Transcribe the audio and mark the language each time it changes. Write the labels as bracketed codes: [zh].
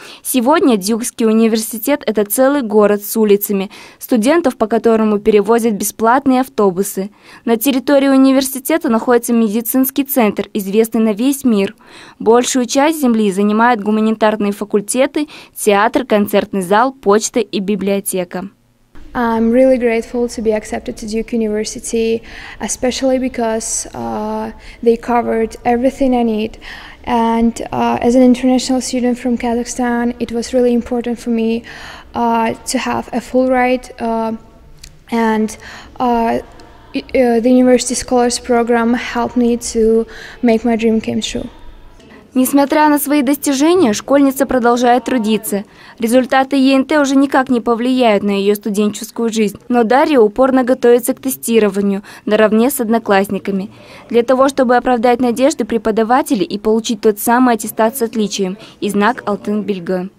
[ru] Сегодня Дьюкский университет – это целый город с улицами, студентов по которому перевозят бесплатные автобусы. На территории университета находится медицинский центр, известный на весь мир. Большую часть земли занимают гуманитарные факультеты, театр, концертный зал, почта и библиотека. [en] I'm really grateful to be accepted to Duke University, especially because they covered everything I need. And as an international student from Kazakhstan, it was really important for me to have a full ride the University Scholars Program helped me to make my dream come true. [ru] Несмотря на свои достижения, школьница продолжает трудиться. Результаты ЕНТ уже никак не повлияют на ее студенческую жизнь. Но Дарья упорно готовится к тестированию наравне с одноклассниками. Для того, чтобы оправдать надежды преподавателей и получить тот самый аттестат с отличием и знак Алтынбельге.